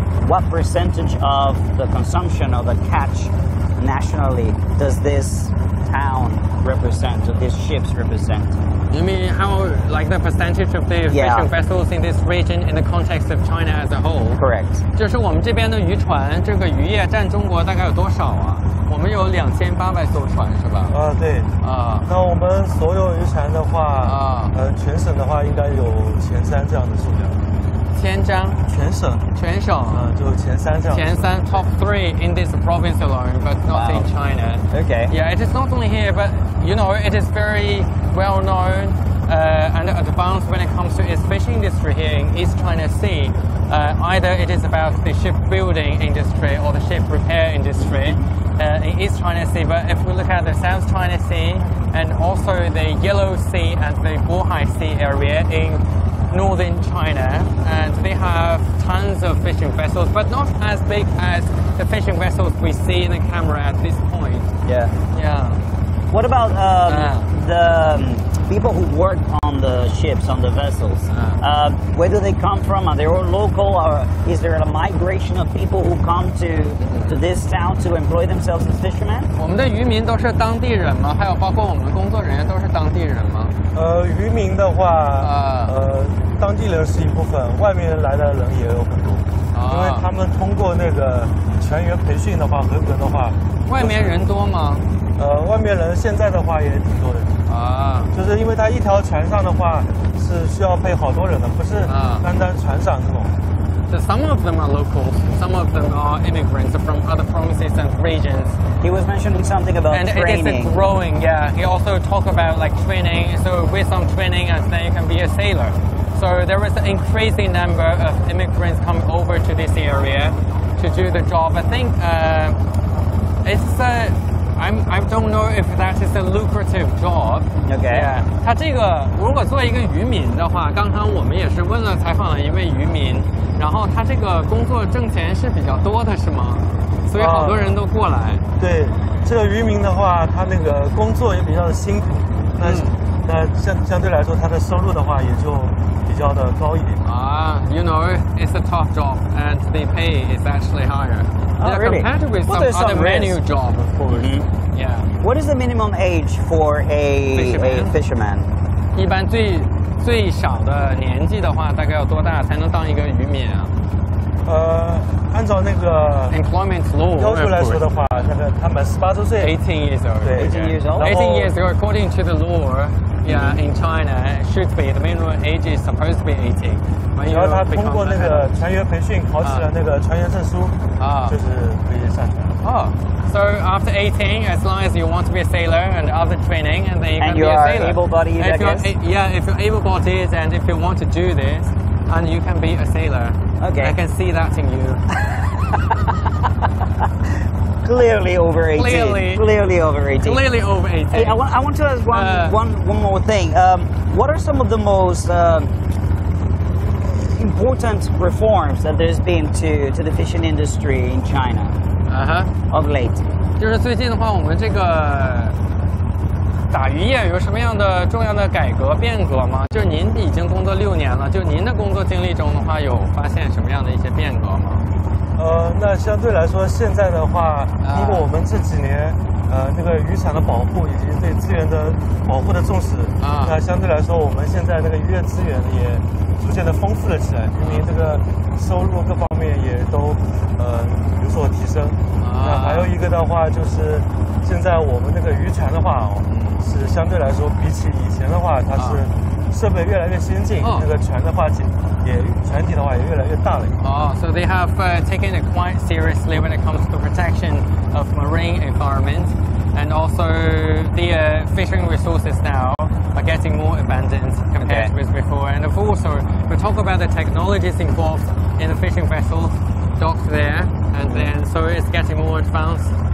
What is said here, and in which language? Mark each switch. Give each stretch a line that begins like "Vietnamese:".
English: What percentage of the consumption of the catch nationally does this town represent, or these ships represent? You mean how, like, the percentage of the fishing vessels in this region in the context of China as a whole? Correct.
Chinese: 就是我们这边的渔船，这个渔业占中国大概有多少啊？我们有2800艘船是吧？对。那我们所有渔船的话，全省的话应该有前三这样的数量。千张。全省。就前三这样。前三
English: top three in this province alone, but not in China. Okay. Yeah, it is not only here, but you know, it is very well known, and advanced when it comes to its fishing industry here in East China Sea. Either it is about the shipbuilding industry or the ship repair industry. In East China Sea, but if we look at the South China Sea and also the Yellow Sea and the Bohai Sea area in Northern China, and they have tons of fishing vessels, but not as big as the fishing vessels we see in the camera at this point. Yeah. Yeah. What about the people who work on the ships, on the vessels? Where do they come from? Are they all local, or is there a migration of people who come to this town to employ themselves as fishermen?
Chinese: 我们的渔民都是当地人吗？还有包括我们工作人员都是当地人吗？渔民的话，当地人是一部分，外面来的人也有很多，因为他们通过那个全员培训的话，合格的话，外面人多吗？外面人现在的话也挺多的就是因为他一条船上的话是需要配好多人的，不是单单船上那种。
English: So some of them are locals, some of them are immigrants from other provinces and regions. He was mentioning something about and training. And it is growing, yeah. He also talked about like training, so with some training and then you can be a sailor. So there is an increasing number of immigrants coming over to this area to do the job. I think it's a...、uh, I don't know if that is a lucrative job. Okay. Yeah.
Chinese: 他这个如果做一个渔民的话，刚刚我们也是问了采访了一位渔民，然后他这个工作挣钱是比较多的，是吗？所以好多人都过来。对，这个渔民的话，他那个工作也比较的辛苦，那、那相对来说，他的收入的话也就比较的高一点。
English: You know, it's a tough job, and the pay is actually higher. Oh, really? Compared with some other menu job, of course. Mm-hmm. Yeah. What is the minimum age for a fisherman?
Chinese: 一般最小的年纪的话，大概要多大才能当一个渔民啊？按照那个
English: employment law
Chinese: 要求来说的话，他们18周岁。
English: 18 years old. According to the law. Yeah, in China, should be the minimum age is supposed to be 18.
Chinese: 只要他通过那个船员培训，考取了那个船员证书，就是可以上船。
English: 哦 ，So after 18, as long as you want to be a sailor and other training, and then you can be a sailor. And you are able-bodied, I guess. Yeah, if you're able-bodied and if you want to do this, and you can be a sailor. Okay. I can see that in you. Clearly over 18. Hey, I want to ask one more thing. What are some of the most important reforms that there's been to the fishing industry in China of late?
Chinese: 就是最近的话，我们这个打渔业有什么样的重要的改革变革吗？就是您已经工作六年了，就您的工作经历中的话，有发现什么样的一些变革吗？那相对来说，现在的话，通过我们这几年，那个渔产的保护以及对资源的保护的重视，那相对来说，我们现在那个渔业资源也逐渐的丰富了起来，渔民这个收入各方面也都有所提升。那还有一个的话，就是现在我们那个渔船的话，是相对来说比起以前的话，它是设备越来越先进，那个船的话船体的话也越来越大了。
English: So they have taken it quite seriously when it comes to protection of marine environment, and also the fishing resources now are getting more abundant compared with before. And of also, we talk about the technologies involved in the fishing vessels docked there, and then so it's getting more advanced.